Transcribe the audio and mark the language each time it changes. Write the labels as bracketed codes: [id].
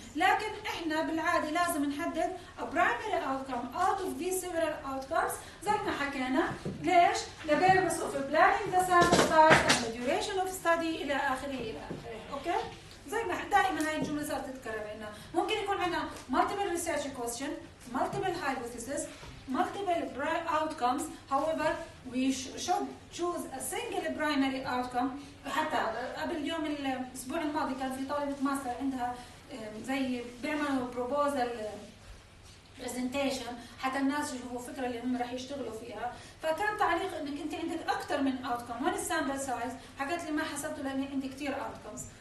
[ar] لكن احنا بالعاده لازم نحدد [en] primary outcome out of the several outcomes [ar] زي ما حكينا. ليش؟ [en] لبيربس of planning the sample size and duration of study [ar] الى اخره الى اخره، اوكي؟ زي ما دائما هاي الجمله صارت تتكرر عندنا، ممكن يكون عندنا [en] Multiple research question, multiple hypotheses, multiple primary outcomes. However, we should choose a single primary outcome. [ar] حتى قبل يوم الأسبوع الماضي كان في طالبة ماستر عندها زي بيعملوا proposal presentation حتى الناس يشوفوا فكرة اللي هم راح يشتغلوا فيها. فكان تعليق إنك أنت عندك أكثر من outcome. وين sample size؟ حكت لي ما حسبته لأني عندي كتير outcomes.